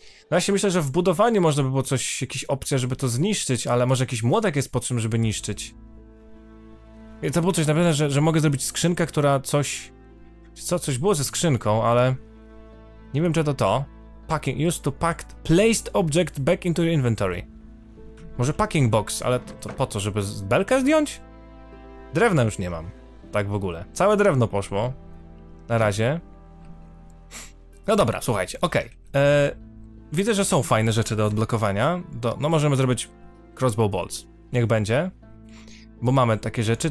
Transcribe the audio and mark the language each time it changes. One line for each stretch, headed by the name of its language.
Polish: No ja się myślę, że w budowaniu można by było coś, jakieś opcja, żeby to zniszczyć, ale może jakiś młotek jest potrzebny, żeby niszczyć. I to było coś naprawdę, że mogę zrobić skrzynkę, która coś... Co, coś było ze skrzynką, ale... Nie wiem, czy to to.
English: Packing, used to packed, placed object back into your inventory.
Polish: Może packing box, ale to po co, żeby belkę zdjąć? Drewna już nie mam. Tak w ogóle. Całe drewno poszło. Na razie. No dobra, słuchajcie, okej. Okay. Widzę, że są fajne rzeczy do odblokowania. Do, no możemy zrobić crossbow bolts. Niech będzie. Bo mamy takie rzeczy.